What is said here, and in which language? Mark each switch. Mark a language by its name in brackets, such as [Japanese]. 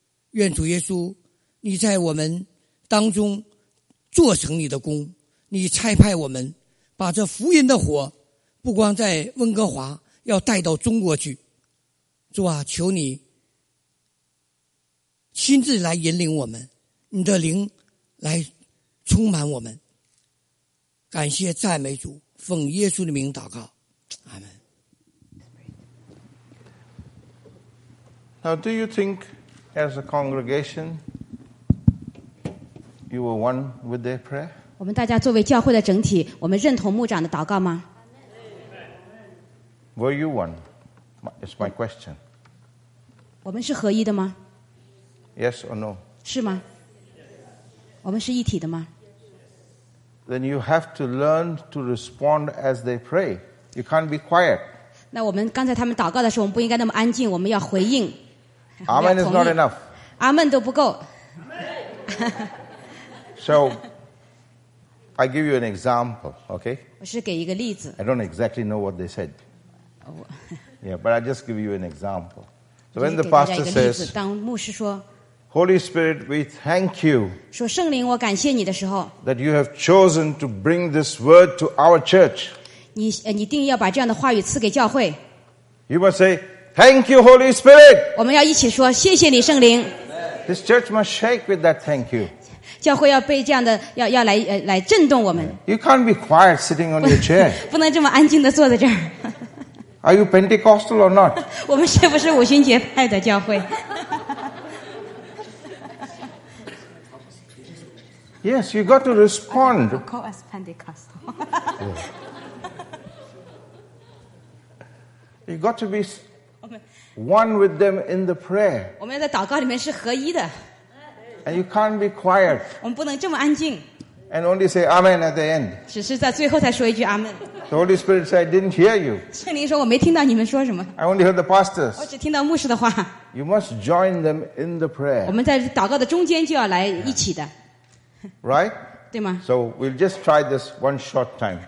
[Chinese] 愿主耶稣你在我们当中做成你的功，你差派我们把这福音的火不光在温哥华，要带到中国去。主啊，求你亲自来引领我们，你的灵来充满我们。感谢赞美主，奉耶稣的名祷告，阿们。 [English] Now do you think as a congregation you were one with their prayer? [Chinese] 我们大家作为教会的整体，我们认同牧长的祷告吗？ [English] Were you one? It's my question. [Chinese] 我们是合一的吗？ [English] Yes or no? [Chinese] 是吗？我们是一体的吗？ [English] Then you have to learn to respond as they pray. You can't be quiet. [Chinese] 那我们刚才他们祷告的时候，我们不应该那么安静，我们要回应。 [English] Amen is not enough. [Chinese] Amen 都不够。 [English] So I give you an example, okay? [Chinese] 我是给一个例子。 [English] I don't exactly know what they said. Yeah, but I just give you an example. So when the pastor says, [Chinese] 当牧师说, [English] Holy Spirit, we thank you [Chinese] 说圣灵我感谢你的时候, [English] that you have chosen to bring this word to our church. [Chinese] 你定要把这样的话语赐给教会。 [English] You must say, thank you, Holy Spirit. [Chinese] 我们要一起说, 谢谢你圣灵。 [English] This church must shake with that thank you. [Chinese] 教会要被这样的要来震动我们。 [English] You can't be quiet sitting on your chair. [Chinese] 不能这么安静地坐在这儿。 [English] Are you Pentecostal or not? [Chinese] 我们是不是五旬节派的教会？ [English] Yes, you got to respond. Okay, call us Pentecostal. Yeah. You got to be one with them in the prayer. [Chinese] 我们在祷告里面是合一的。 [English] And you can't be quiet. [Chinese] 我们不能这么安静。 [English] And only say Amen at the end. [Chinese] 只是在最后才说一句 Amen. [English] The Holy Spirit said, "I didn't hear you." [Chinese] 圣灵说我没听到你们说什么。 [English] I only heard the pastors. [Chinese] 我只听到牧师的话。 [English] You must join them in the prayer. [Chinese] 我们在祷告的中间就要来一起的。 [English] Yeah. Right? [Chinese] 对吗？ [English] So we'll just try this one short time.